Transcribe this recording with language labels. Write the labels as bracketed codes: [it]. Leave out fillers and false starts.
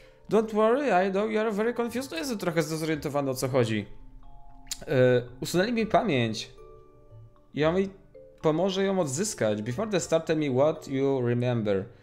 [en] Don't worry, I know you're very confused. [pl] To jestem trochę zdezorientowany, o co chodzi. Usunęli mi pamięć. I on mi pomoże ją odzyskać. [en] Before the start, tell me what you remember.